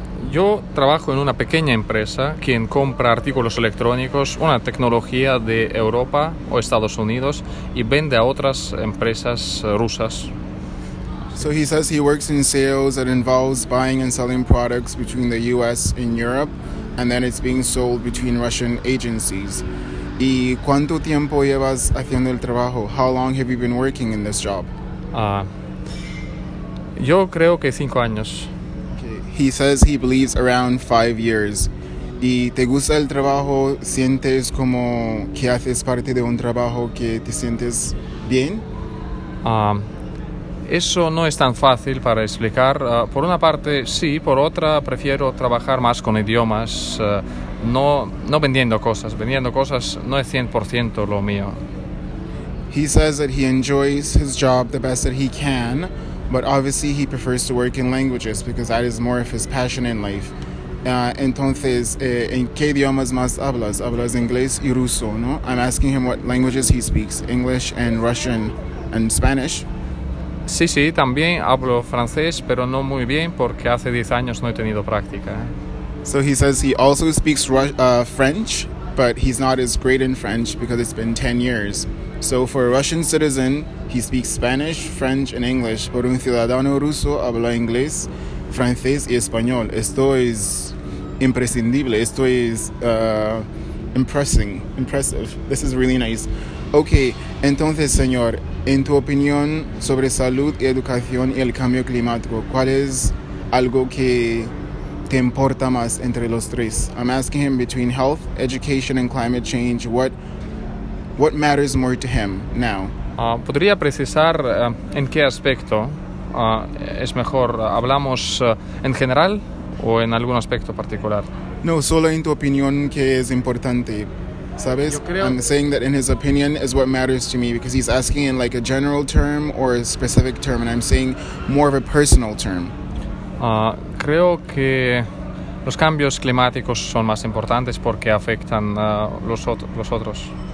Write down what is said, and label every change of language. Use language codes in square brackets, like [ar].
[es] Yo trabajo en una pequeña empresa quien compra artículos electrónicos, una tecnología de Europa o Estados Unidos, y vende a otras empresas rusas. [en] So he says he works in sales that involves buying and selling products between the US and Europe, and then it's being sold between Russian agencies. [es] ¿Y cuánto tiempo llevas haciendo el trabajo? [en] How long have you been working in this job? [es] Yo creo que 5 años. [en] He says he believes around 5 years. [es] ¿Y te gusta el trabajo? ¿Sientes como que haces parte de un trabajo que te sientes bien? Eso no es tan fácil para explicar. Por una parte, sí. Por otra, prefiero trabajar más con idiomas. No vendiendo cosas. Vendiendo cosas no es 100% lo mío. [en] He says that he enjoys his job the best that he can, but obviously he prefers to work in languages because that is more of his passion in life. [es] Entonces, ¿en qué idiomas más hablas? Hablas inglés y ruso, ¿no? [en] I'm asking him what languages he speaks, English and Russian and Spanish. [es] Sí, sí, también hablo francés, pero no muy bien porque hace 10 años no he tenido práctica. [en] So he says he also speaks French, but he's not as great in French because it's been 10 years. So for a Russian citizen, he speaks Spanish, French, and English. [es] Por un ciudadano ruso, habla inglés, francés y español. Esto es imprescindible. Esto es impressive. [en] This is really nice. [es] Okay, entonces, señor, en tu opinión sobre salud y educación y el cambio climático, ¿cuál es algo que te importa más entre los tres? [en] I'm asking him between health, education, and climate change, what matters more to him now? [es] ¿Podría precisar en qué aspecto es mejor? ¿Hablamos en general o en algún aspecto particular? No, solo en tu opinión que es importante, ¿sabes? [en] I'm saying that in his opinion is what matters to me because he's asking in like a general term or a specific term, and I'm saying more of a personal term. [es] Creo que los cambios climáticos son más importantes porque afectan los otros.